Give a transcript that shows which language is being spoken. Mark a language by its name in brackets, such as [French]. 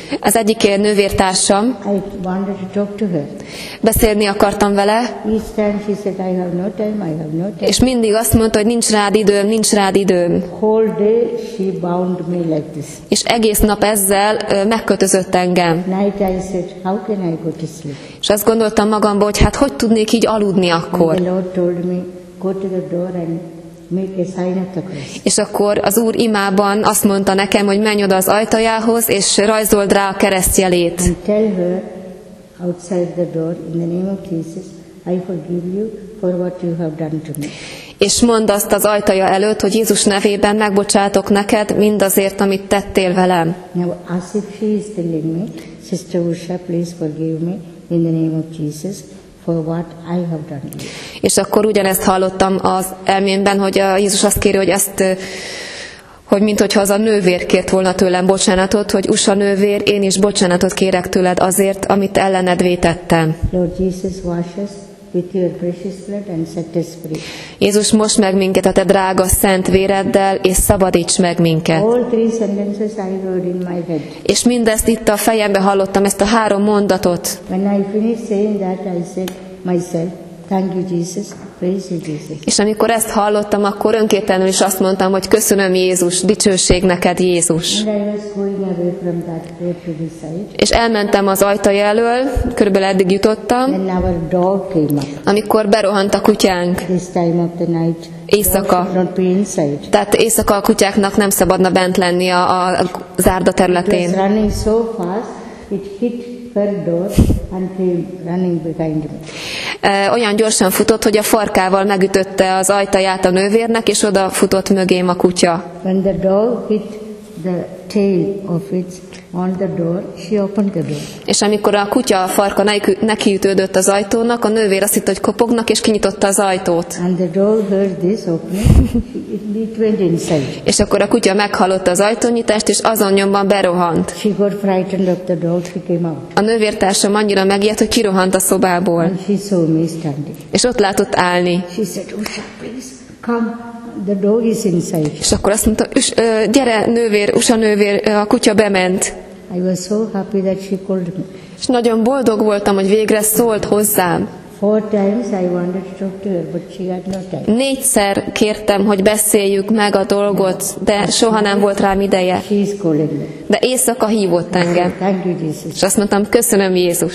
[Hungarian] Az egyik nővértársam. [English] I wanted to talk to her. [Hungarian] Beszélni akartam vele. [English] Each time she said, I have no time, I have no time. [Hungarian] És mindig azt mondta, hogy nincs rád időm, nincs rád időm. [English] Whole day she bound me like this. [Hungarian] És egész nap ezzel megkötözött engem. [English] Night I said, how can I go to sleep? [Hungarian] És azt gondoltam magamban, hogy hát hogy tudnék így aludni akkor. [English] And the Lord told me, go to the door and make a sign of the cross. [Hungarian] És akkor az Úr imában azt mondta nekem, hogy menj oda az ajtajához, és rajzold rá a keresztjelét. [English] And tell her outside the door, in the name of Jesus, I forgive you for what you have done to me. [Hungarian] És mondd azt az ajtaja előtt, hogy Jézus nevében megbocsátok neked mindazért, amit tettél velem. [English] Now, as if she is telling me, Sister Usha, please forgive me in the name of Jesus. For what I have done. [Hungarian] És akkor ugyanezt hallottam az elmémben, hogy a Jézus azt kéri, hogy ezt, hogy minthogyha az a nővér kért volna tőlem bocsánatot, hogy Usa nővér, én is bocsánatot kérek tőled azért, amit ellened vétettem. [English] Lord Jesus, wash us with your precious blood and set us free. [Hungarian] Jézus, mosd meg minket a te drága szent véreddel, és szabadíts meg minket. [English] All three sentences I heard in my head. [Hungarian] És mindezt itt a fejembe hallottam, ezt a három mondatot. [English] When I finished saying that, I said myself, thank you Jesus, praise you Jesus. [Hungarian] És amikor ezt hallottam, akkor önkéntelenül is azt mondtam, hogy köszönöm Jézus, dicsőség neked Jézus. [English] And I was going away from that door to the side. [Hungarian] És elmentem az ajtaja elől, körülbelül eddig jutottam. [English] And our dog came up. [Hungarian] Amikor berohant a kutyánk. [English] This time of the night. [Hungarian] Éjszaka. Tehát éjszaka a kutyáknak nem szabadna bent lenni a zárda területén. [English] It was running so fast, it hit her door and came running behind me. [Hungarian] Olyan gyorsan futott, hogy a farkával megütötte az ajtaját a nővérnek, és oda futott mögém a kutya. [English] When the dog hit the tail of it on the door, she opened the door. [Hungarian] És amikor a kutya a farka nekiütődött az ajtónak, a nővér azt hitt, hogy kopognak, és kinyitotta az ajtót. [English] And the dog heard this opening, it went inside. [Hungarian] És akkor a kutya meghallotta az ajtónyitást, és azonnyomban berohant. [English] She got frightened of the dog, she came out. [Hungarian] A nővértársam annyira megijedt, hogy kirohant a szobából. [English] And she saw me standing. [Hungarian] És ott látott állni. [English] She said, Usha, please come. The dog is inside. [Hungarian] És akkor azt mondta, gyere nővér, Usa nővér, a kutya bement. [English] I was so happy that she called me. [Hungarian] És nagyon boldog voltam, hogy végre szólt hozzám. [English] Four times I wanted to talk to her, but she had no time. [Hungarian] Négyszer kértem, hogy beszéljük meg a dolgot, de soha nem volt rám ideje. [English] She is calling me. [Hungarian] De éjszaka hívott engem. [English] Thank you, Jesus. [Hungarian] És azt mondtam, köszönöm Jézus.